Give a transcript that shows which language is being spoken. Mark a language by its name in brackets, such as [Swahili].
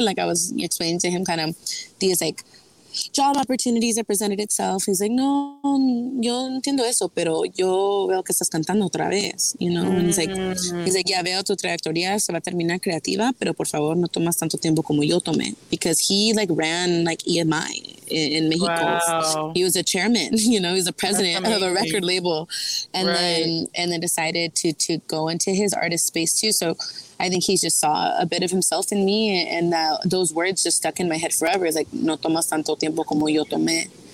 [English] Like, I was explaining to him kind of these, like, job opportunities that presented itself. He's like, [Spanish] no, yo entiendo eso, pero yo veo que estás cantando otra vez, [English] you know? Mm. And he's like, [Spanish] ya veo tu trayectoria, se va a terminar creativa, pero por favor, no tomas tanto tiempo como yo tomé. [English] Because he, like, ran, like, EMI. In Mexico. Wow. He was a chairman, you know, he was a president of a record label and then decided to go into his artist space too. So I think he just saw a bit of himself in me and that those words just stuck in my head forever. It's like, [Spanish] no tomas tanto tiempo como yo tomé.